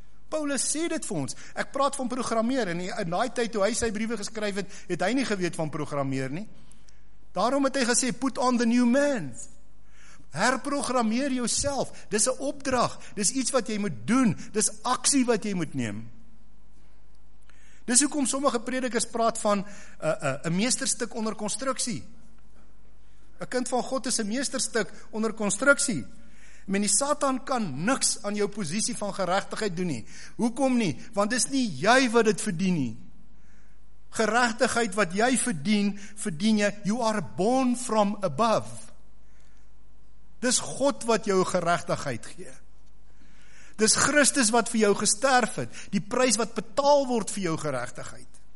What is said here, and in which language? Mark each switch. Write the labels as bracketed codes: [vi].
[af] Paulus sê dit vir ons, ek praat van programmeer, en in daai tyd toe hy sy briewe geskryf het, het hy nie geweet van programmeer nie. Daarom het hy gesê, [en] put on the new man. [af] Herprogrammeer jouself, dis 'n opdrag, dis iets wat jy moet doen, dis aksie wat jy moet neem. Dis hoekom sommige predikers praat van een meesterstuk onder konstruksie. Een kind van God is een meesterstuk onder konstruksie. Men die Satan kan niks aan jou posisie van geregtigheid doen nie. Hoekom nie? Want dis nie jy wat dit verdien nie. Geregtigheid wat jy verdien, verdien jy, [en] you are born from above. [af] Dis God wat jou geregtigheid gee. Dis Christus wat vir jou gesterf het, die prys wat betaal word vir jou geregtigheid.